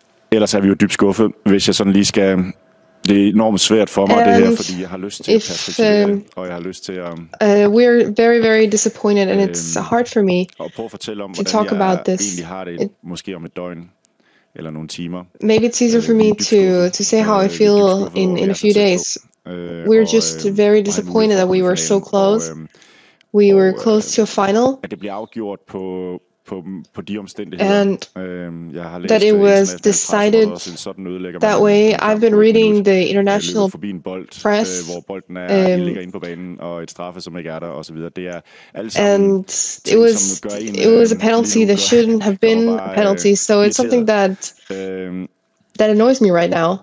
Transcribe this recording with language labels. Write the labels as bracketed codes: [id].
[da] Ellers er vi jo dybt skuffet, hvis jeg sådan lige skal. Det er enormt svært for mig det her, fordi jeg har lyst til at perspektive, og jeg har lyst til at. [en] We're very, very disappointed, and it's hard for me to talk about this. [da] Egentlig har det måske om et døgn. Eller nogle timer. [en] Maybe it's easier for me to say how I feel in a few days. We're just very disappointed that we were so close. We were close to a final. [da] At det bliver afgjort på de omstændigheder. [en] And that it was decided that way. I've been reading the international press, [da] hvor bolden er ligger inde på banen og et straffe som ikke er der og så videre. Det er [en] and it was a penalty that shouldn't have been a penalty. So it's something that annoys me right now.